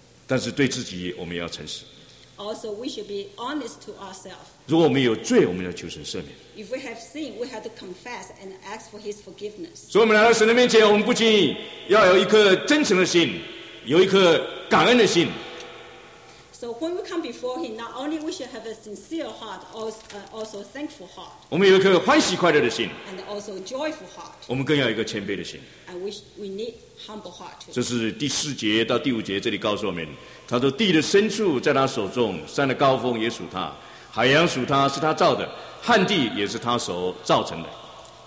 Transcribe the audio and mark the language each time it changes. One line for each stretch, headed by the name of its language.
Chinese: 但是对自己，我们要诚实。
English: Also, we should be honest to ourselves.
Chinese: 如果我们有罪，我们要求神赦免。
English: If we have sin, we have to confess and ask for His forgiveness.
Chinese: 所以，我们来到神的面前，我们不仅要有一颗真诚的心，有一颗感恩的心。
English: So when we come before Him, not only we should have a sincere heart, also thankful heart.
Chinese: 我们有一颗欢喜快乐的心
English: ，and also joyful heart.
Chinese: 我们更要一个谦卑的心
English: ，and we need humble heart too.
Chinese: 这是第四节到第五节这里告诉我们。他说：“地的深处在他手中，山的高峰也属他，海洋属他，是他造的，旱地也是他手造成的。”